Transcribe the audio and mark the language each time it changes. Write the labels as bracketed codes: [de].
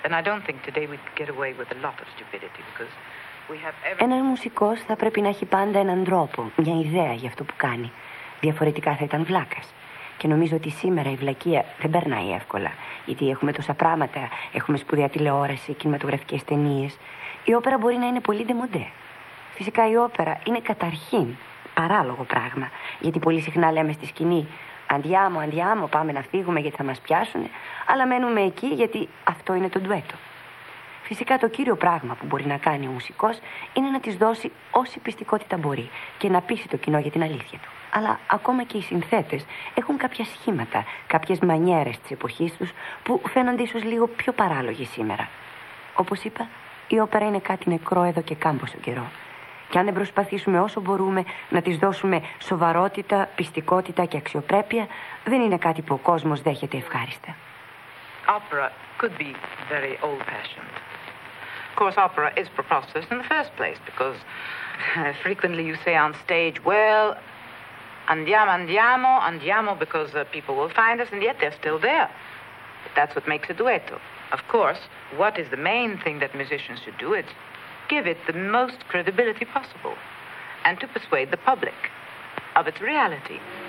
[en] And I don't think today we could get away with a lot of stupidity, because we have every... [el] Ένας μουσικός θα πρέπει να έχει πάντα έναν τρόπο, μια ιδέα για αυτό που κάνει. Διαφορετικά θα ήταν βλάκας. Και νομίζω ότι σήμερα η βλακεία δεν περνάει εύκολα. Γιατί έχουμε τόσα πράγματα, έχουμε σπουδαία τηλεόραση, κινηματογραφικές ταινίες. Η όπερα μπορεί να είναι πολύ ντεμοντέ. Φυσικά η όπερα είναι καταρχήν παράλογο πράγμα. Γιατί πολύ συχνά λέμε στη σκηνή, αντιάμω, αντιάμω, πάμε να φύγουμε γιατί θα μας πιάσουν. Αλλά μένουμε εκεί γιατί αυτό είναι το ντουέτο. Φυσικά το κύριο πράγμα που μπορεί να κάνει ο μουσικός είναι να της δώσει όση πιστικότητα μπορεί και να πείσει το κοινό για την αλήθεια του. Αλλά ακόμα και οι συνθέτες έχουν κάποια σχήματα, κάποιες μανιέρες της εποχής τους που φαίνονται ίσως λίγο πιο παράλογοι σήμερα. Όπως είπα, η όπερα είναι κάτι νεκρό εδώ και κάμποσο καιρό. Και αν δεν προσπαθήσουμε όσο μπορούμε να της δώσουμε σοβαρότητα, πιστικότητα και αξιοπρέπεια, δεν είναι κάτι που ο κόσμος δέχεται ευχάριστα. [en] Opera could be very old-fashioned. Of course, opera is preposterous in the first place, because frequently you say on stage, well, andiamo, andiamo, andiamo, because people will find us, and yet they're still there. That's what makes a duetto. Of course, what is the main thing that musicians should do? It's give it the most credibility possible, and to persuade the public of its reality.